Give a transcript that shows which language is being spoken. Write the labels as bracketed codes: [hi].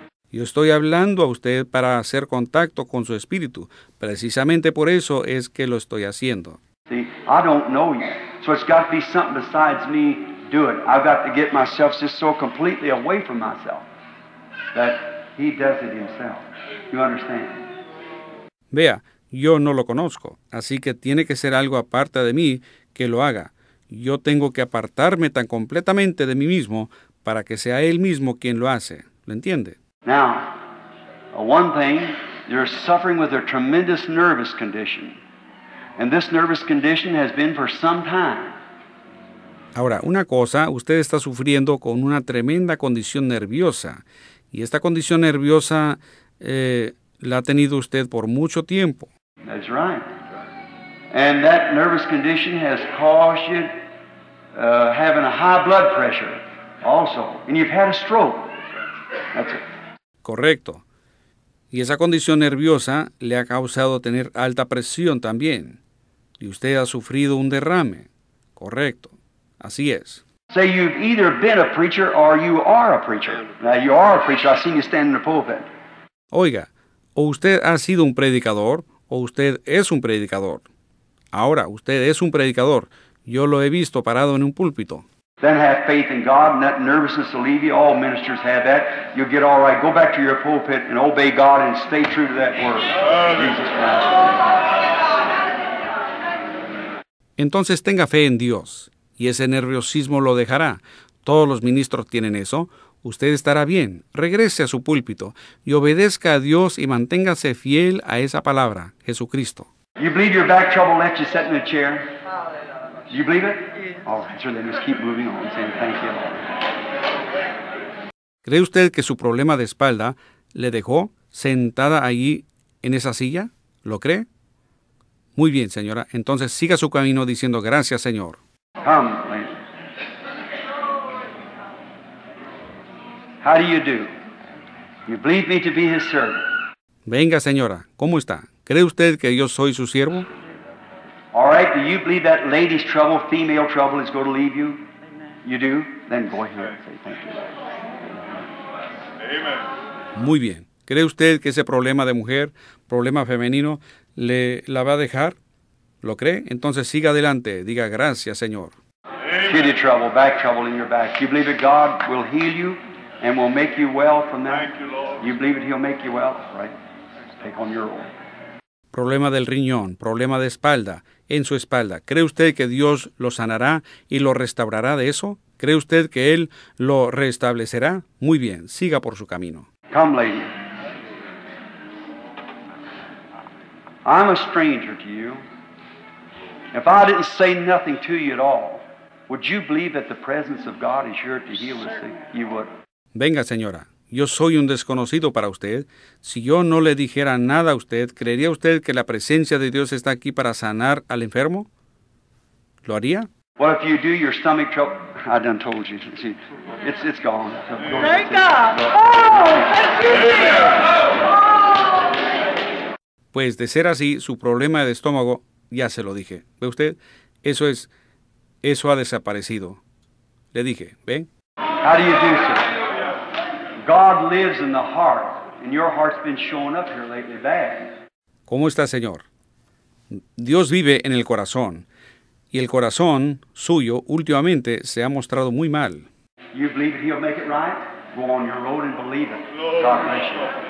[es] Yo estoy hablando a usted para hacer contacto con su espíritu. Precisamente por eso es que lo estoy haciendo. [en] See, I don't know you. So it's got to be something besides me doing. I've got to get myself just so completely away from myself that he does it himself. You understand? [es] Vea, yo no lo conozco, así que tiene que ser algo aparte de mí que lo haga. Yo tengo que apartarme tan completamente de mí mismo para que sea él mismo quien lo hace. ¿Lo entiende? [en] Now, one thing, you're suffering with a tremendous nervous condition. And this nervous condition has been for some time. [es] Ahora, una cosa, usted está sufriendo con una tremenda condición nerviosa. Y esta condición nerviosa la ha tenido usted por mucho tiempo. [en] That's right. And that nervous condition has caused you having a high blood pressure also. And you've had a stroke. That's it. [es] Correcto. Y esa condición nerviosa le ha causado tener alta presión también. Y usted ha sufrido un derrame. Correcto. Así es. [en] Say you've either been a preacher or you are a preacher. Now you are a preacher. I've seen you stand in the pulpit. [es] Oiga, o usted ha sido un predicador o usted es un predicador. Ahora, usted es un predicador. Yo lo he visto parado en un púlpito. [en] Then have faith in God and that nervousness will leave you. All ministers have that. You'll get all right. Go back to your pulpit and obey God and stay true to that word. Jesus Christ. [es] Entonces tenga fe en Dios y ese nerviosismo lo dejará. Todos los ministros tienen eso. Usted estará bien. Regrese a su púlpito y obedezca a Dios y manténgase fiel a esa palabra, Jesucristo. [en] You believe your back trouble left you sitting in a chair? Do you believe it? Yes. All right, sir, then just keep moving on, saying thank you. [es] ¿Cree usted que su problema de espalda le dejó sentada allí en esa silla? ¿Lo cree? Muy bien, señora. Entonces siga su camino diciendo gracias, Señor. [en] Come, lady. How do you do? You believe me to be his servant? [es] Venga, señora. ¿Cómo está? ¿Cree usted que yo soy su siervo? [en] All right, do you believe that lady's trouble, female trouble, is going to leave you? Amen. You do? Then go ahead and say thank you. Amen. [es] Muy bien. ¿Cree usted que ese problema de mujer, problema femenino, la va a dejar? ¿Lo cree? Entonces siga adelante. Diga gracias, Señor. Amen. [en] Kidney trouble, back trouble in your back. Do you believe that God will heal you and will make you well from that? Thank you, Lord. You believe that he'll make you well? Right. Take on your role. [es] Problema del riñón, problema de espalda, en su espalda. ¿Cree usted que Dios lo sanará y lo restaurará de eso? ¿Cree usted que Él lo restablecerá? Muy bien, siga por su camino. [en] Come, lady. I'm a stranger to you. If I didn't say nothing to you at all, would you believe that the presence of God is here to heal us? You would. [es] Venga, señora. Yo soy un desconocido para usted. Si yo no le dijera nada a usted, ¿creería usted que la presencia de Dios está aquí para sanar al enfermo? ¿Lo haría? [en] What if you do your stomach trouble? I done told you. See, it's gone. So, thank God. Oh, excuse me. [es] Pues de ser así, su problema de estómago, ya se lo dije. ¿Ve usted? Eso ha desaparecido. Le dije, ¿ve? [en] How do you do, sir? God lives in the heart, and your heart's been showing up here lately bad. [es] ¿Cómo está, señor? Dios vive en el corazón, y el corazón suyo últimamente se ha mostrado muy mal. [en] You believe he'll make it right? Go on your road and believe it. God bless you.